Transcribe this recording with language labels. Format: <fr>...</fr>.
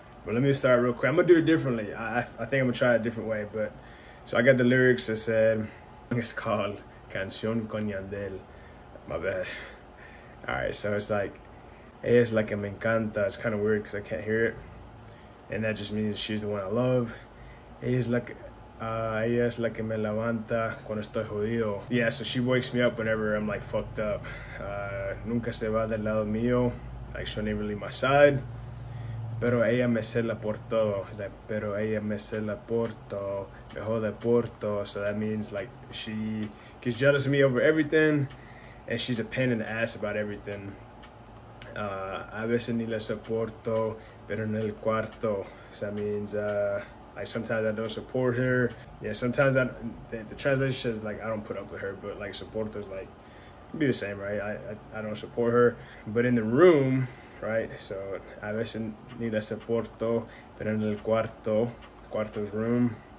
<en>But let me start real quick. I'm gonna do it differently. I think I'm gonna try it a different way, but. So I got the lyrics that said, it's called Canción con Yandel. My bad. All right, so it's like,</en> <es>es la que me encanta.</es> <en>It's kind of weird because I can't hear it. And that just means she's the one I love.</en> <es>Es la que me levanta cuando estoy jodido.</es> <en>Yeah, so she wakes me up whenever I'm like fucked up.</en> <es>Nunca se va del lado mío.</es> <en>Like she'll never leave my side.</en> <es>Pero ella me cela por todo.</es> <en>It's like,</en> <es>pero ella me cela por todo. Me jode por todo.</es> <en>So that means like she gets jealous of me over everything and she's a pain in the ass about everything.</en> <es>A veces ni la soporto, pero en el cuarto.</es> <en>So that means like sometimes I don't support her. Yeah, sometimes the translation says like I don't put up with her, but like soporto is like, it'd be the same, right? I don't support her. But in the room, right, so</en> <es>a veces ni la soporto, pero en el cuarto,</es> <en>cuarto's room.</en>